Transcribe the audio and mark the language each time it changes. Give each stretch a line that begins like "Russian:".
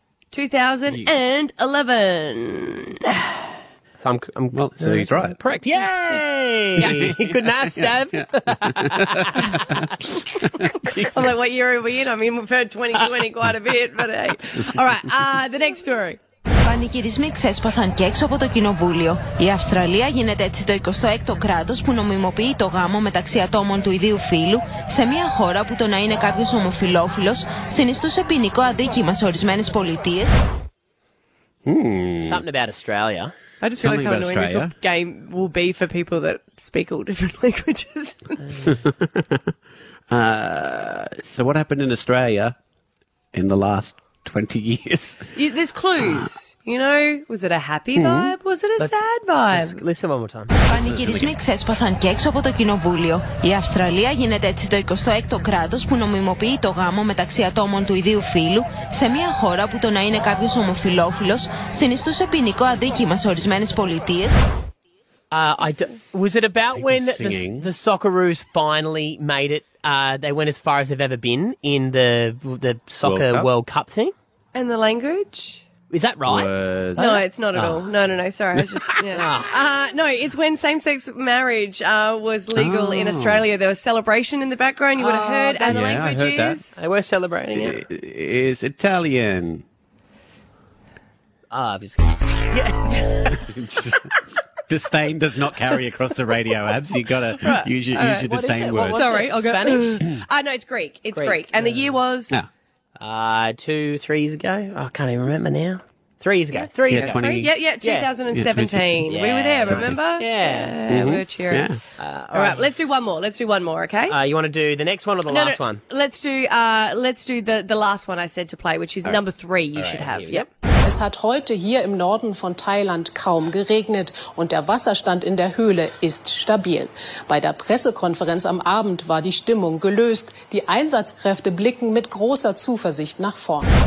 English: 2011. So I'm he's right. Correct. Yay! Good math, Stav. I'm like, what year are we in? I mean, we've heard 2020 quite a bit, but hey. All right, the next story.
Greek: Πανηγυρισμοί ξέσπασαν και έξω από το κοινοβούλιο. Η Αυστραλία γίνεται έτσι το 26ο κράτος που νομιμοποιεί το γάμο μεταξύ ατόμων του ιδίου φύλου σε μια χώρα που το να είναι κάποιος ομοφυλόφιλος συνιστούσε ποινικό αδίκημα σε ορισμένες πολιτείες.
English: Something about Australia. I just realised how annoying this game will be for people that speak all different languages. So what happened in Australia in the last 20 years? There's clues. You know, was it a happy vibe? Was it a sad vibe? Listen one more time.
Greek: Πανηγυρισμοί ξέσπασαν και έξω από το κοινοβούλιο. Η Αυστραλία γίνεται έτσι το 26ο κράτος που νομιμοποιεί το γάμο μεταξύ ατόμων του ιδίου φύλου σε μια χώρα που το να είναι κάποιος ομοφυλόφιλος συνιστούσε ποινικό αδίκημα σε ορισμένες πολιτείες.
English: Was it about when the Socceroos finally made it? They went as far as they've ever been in the soccer World Cup thing? And the language? Is that right? Words. No, it's not at all. No. Sorry. I was just, yeah. No, it's when same-sex marriage was legal in Australia. There was celebration in the background. You would have heard. And the language is. They were celebrating it. It's Italian. Ah, I'm just kidding. Yeah. Disdain does not carry across the radio, Abs. You've got to use your disdain words. Sorry, I'll go. Spanish? No, it's Greek. It's Greek. And the year was? No. 2-3 years ago. Oh, I can't even remember now. 3 years ago. Yeah, 3 years ago. 20... Yeah, 2017. Yeah. We were there, remember? Yeah. Mm-hmm. We were cheering. Yeah. All right, let's do one more. Let's do one more, okay? You want to do the next one or the last one? Let's do the last one I said to play, which is number three you should have. Yep.
German: Es hat heute hier im Norden von Thailand kaum geregnet und der Wasserstand in der Höhle ist stabil. Bei der Pressekonferenz am Abend war die Stimmung gelöst. Die Einsatzkräfte blicken mit großer Zuversicht nach vorn.